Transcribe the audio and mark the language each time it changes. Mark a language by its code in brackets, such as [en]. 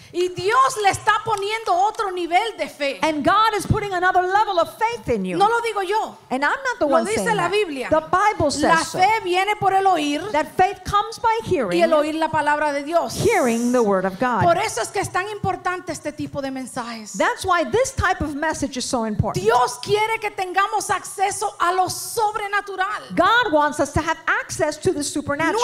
[es] Y Dios le está poniendo otro nivel de fe. [en] And God is putting another level of faith in you. [es] No lo digo yo. [en] And I'm not the one saying that. [es] Lo dice la Biblia. [en] The Bible says [es] la fe viene por el oír. [en] That faith comes by hearing. [es] Y el oír la palabra de Dios. [en] Hearing the word of God. [es] Por eso es que es tan importante este tipo de mensajes. [en] That's why this type of message is so important. [es] Dios quiere que tengamos acceso a lo sobrenatural. [en] God wants us to have access to the supernatural.